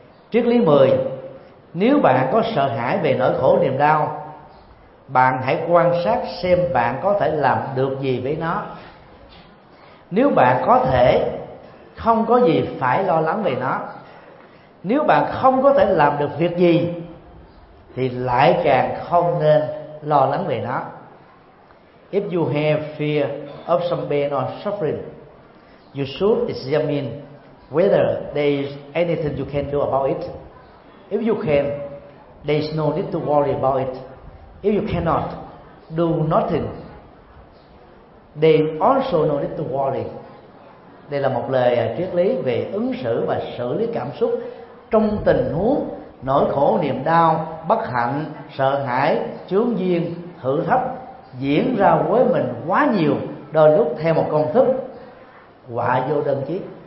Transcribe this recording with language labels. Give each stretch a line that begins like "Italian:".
Vietnamese: Triết lý 10: nếu bạn có sợ hãi về nỗi khổ niềm đau, bạn hãy quan sát xem bạn có thể làm được gì với nó. Nếu bạn có thể, không có gì phải lo lắng về nó. Nếu bạn không có thể làm được việc gì thì lại càng không nên lo lắng về nó.
English: If you have fear of some pain or suffering, you should examine whether there is anything you can do about it. If you can, there is no need to worry about it. If you cannot, do nothing. There is also no need to worry.
Vietnamese: Đây là một lời triết lý về ứng xử và xử lý cảm xúc trong tình huống nỗi khổ niềm đau, bất hạnh, sợ hãi, chướng duyên, thử thách diễn ra với mình quá nhiều, đôi lúc theo một công thức họa vô đơn chí.